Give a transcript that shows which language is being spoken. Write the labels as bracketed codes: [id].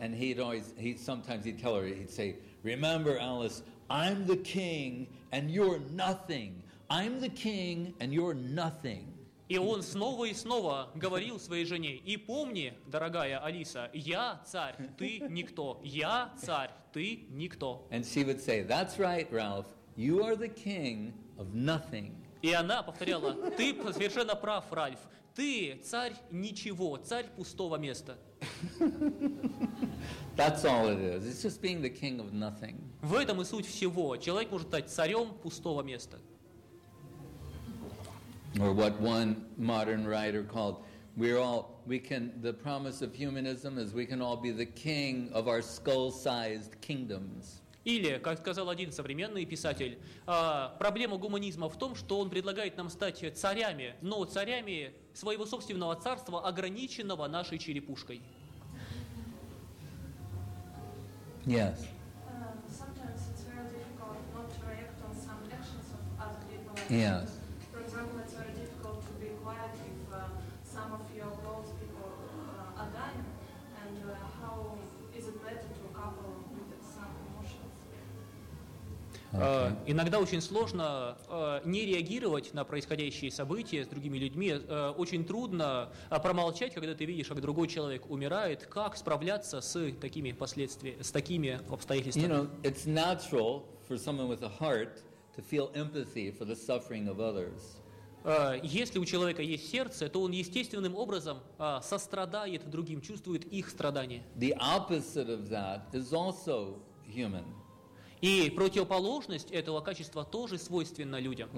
[en] And he'd tell her, he'd say, "Remember, Alice, I'm the king and you're nothing. I'm the king and you're nothing." [ru] И он снова и снова говорил своей жене: "И помни, дорогая Алиса, я царь, ты никто. Я царь, ты никто." And she would say, "That's right, Ralph. You are the king of nothing." И она повторяла: "Ты совершенно прав, Ральф. Ты царь ничего, царь пустого места." [en] That's all it is. It's just being the king of nothing. [ru] В этом и суть всего. Человек может стать царем пустого места. [en] Or what one modern writer called, the promise of humanism is we can all be the king of our skull-sized kingdoms. [ru] Или, как сказал один современный писатель, проблема гуманизма в том, что он предлагает нам стать царями, но царями своего собственного царства, ограниченного нашей черепушкой. [en] Yes. Sometimes it's very difficult not to react on some actions of other people. Yes. For example, it's very difficult to be quiet if some of your close people are dying. And how is it better to couple with some emotions? Okay. [ru] Иногда очень сложно не реагировать на происходящие события с другими людьми. Очень трудно промолчать, когда ты видишь, как другой человек умирает. Как справляться с такими последствиями, с такими обстоятельствами? [en] You know, it's natural for someone with a heart to feel empathy for the suffering of others. [ru] Если у человека есть сердце, то он естественным образом сострадает другим, чувствует их страдания. [en] The opposite of that is also human. И противоположность этого качества тоже свойственна людям.